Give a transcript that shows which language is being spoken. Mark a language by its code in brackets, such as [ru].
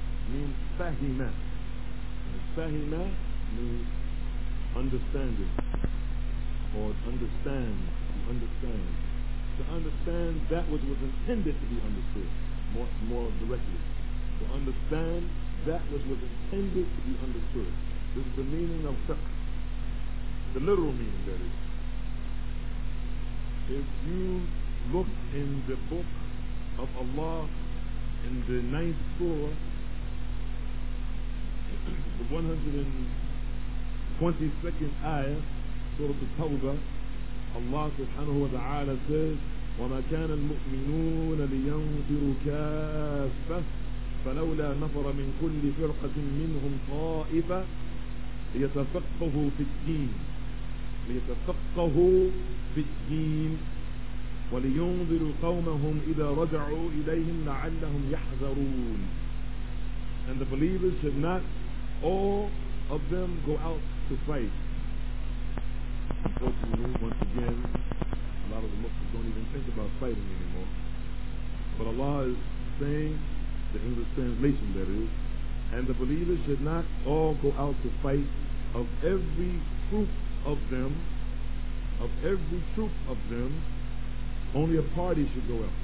[en] means fahima. Fahima means understanding, or understand, to understand. To understand that which was intended to be understood, more directly. To understand that which was intended to be understood. This is the meaning of fiqh. The literal meaning, that is. If you look in the book of Allah in the ninth surah, the 122nd ayah, Surah At-Tawbah, Allah subhanahu wa ta'ala says, [ar] وَمَا كَانَ الْمُؤْمِنُونَ لِيَنْفِرُوا كَافَةً فَلَوْلَا نَفَرَ مِنْ كُلِّ فِرْقَةٍ مِنْهُمْ طَائِفَةً لِيَتَفَقَّهُوا فِي الدِّينِ لِيَتَفَقَّهُوا فِي الدِّينِ وَلِيُنْذِرُوا قَوْمَهُمْ إِذَا رَجَعُوا إِلَيْهِمْ لَعَلَّهُمْ يَحْذَرُونَ. [en] And the believers should not all of them go out to fight. Unfortunately, once again, a lot of the Muslims don't even think about fighting anymore. But Allah is saying, the English translation that is, and the believers should not all go out to fight of every troop of them, of every troop of them, only a party should go out.